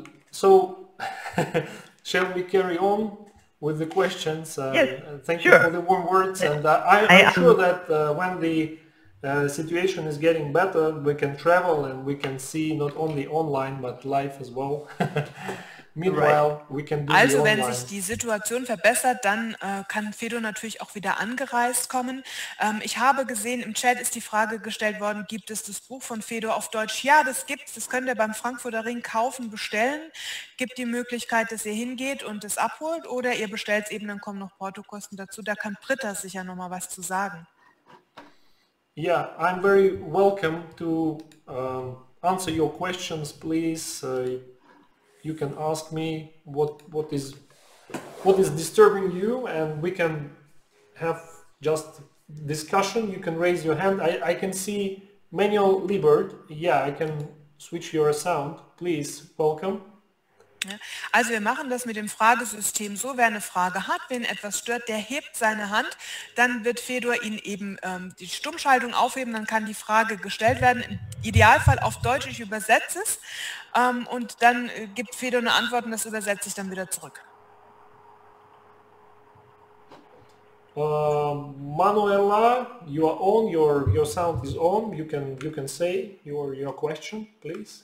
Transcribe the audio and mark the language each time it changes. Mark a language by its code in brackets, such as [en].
[en] So shall we carry on with the questions? Yes, thank you for the warm words. And I'm sure that when the situation is getting better, we can travel and we can see not only online, but live as well. Meanwhile, we can do also the [de] wenn sich die Situation verbessert, dann kann Fedor natürlich auch wieder angereist kommen. Ich habe gesehen, im Chat ist die Frage gestellt worden, gibt es das Buch von Fedor auf Deutsch? Ja, das gibt's. Das könnt ihr beim Frankfurter Ring kaufen, bestellen. Gibt die Möglichkeit, dass ihr hingeht und es abholt oder ihr bestellt es eben, dann kommen noch Portokosten dazu. Da kann Britta sicher noch mal was zu sagen. [en] Yeah, I'm very welcome to answer your questions, please. You can ask me what is disturbing you and we can have just discussion. You can raise your hand. I can see Manuel Liebert. Yeah, I can switch your sound. Please, welcome. [de] Also wir machen das mit dem Fragesystem so, wer eine Frage hat, wen etwas stört, der hebt seine Hand, dann wird Fedor ihn eben die Stummschaltung aufheben, dann kann die Frage gestellt werden, im Idealfall auf Deutsch, ich übersetze es und dann gibt Fedor eine Antwort und das übersetze ich dann wieder zurück. [en] Manuela, you are on, your sound is on, you can say your question, please.